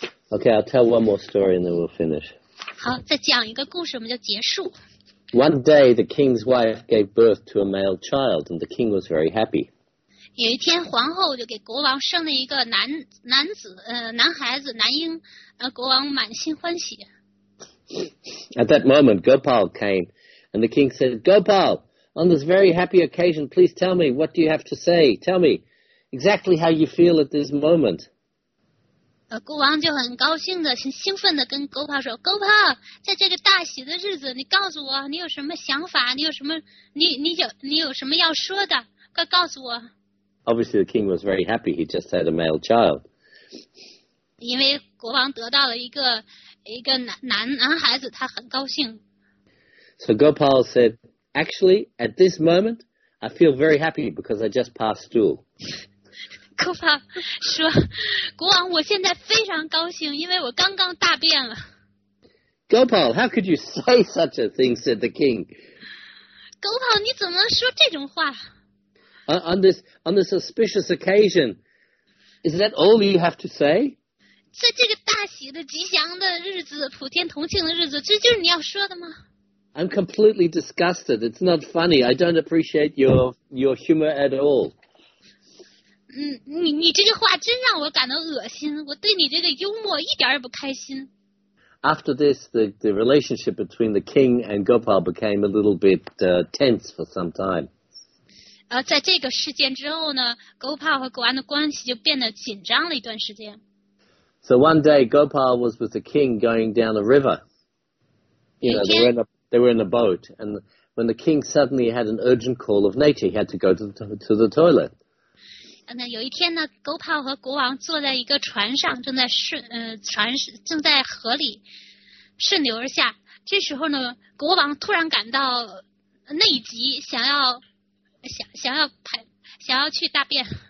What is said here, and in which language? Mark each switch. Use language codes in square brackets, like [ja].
[en] Okay, I'll tell one more story and then we'll finish. [zh] 好，再讲一个故事，我们就结束。 [en] One day, the king's wife gave birth to a male child, and the king was very happy. [zh] 有一天，皇后就给国王生了一个男孩子，男婴，国王满心欢喜。 [en] At that moment, Gopal came, and the king said, Gopal, on this very happy occasion, please tell me, what do you have to say? Tell me exactly how you feel at this moment. [zh] 国王就很高兴的兴奋的跟 Gopal 说 Gopal 在这个大喜的日子你告诉我你有什么想法你有什么 你有什么要说的快告诉我 [en] Obviously the king was very happy he just had a male child [zh] 因为国王得到了一个 男孩子他很高兴 [en] So Gopal said actually at this moment I feel very happy because I just passed through [zh] Gopal 说国王我现在非常高兴因为我刚刚大便了 [en] Gopal how could you say such a thing said the king [zh] Gopal 你怎么说这种话 [en] on this auspicious occasion is that all you have to say [zh] 在这个大喜的吉祥的日子普天同庆的日子这就是你要说的吗 [en] I'm completely disgusted it's not funny I don't appreciate your humor at all [zh] 你这个话真让我感到恶心我对你这个幽默一点也不开心 [en] After this, the relationship between the king and Gopal became a little bit tense for some time [zh] 在这个事件之后呢 Gopal 和国王的关系就变得紧张了一段时间 [en] So one day Gopal was with the king going down a river You know, they were in a boat and when the king suddenly had an urgent call of nature he had to go to the toilet [zh] 那有一天呢 ，Gopal 和国王坐在一个船上，正在河里顺流而下。这时候呢，国王突然感到内急，想要去大便。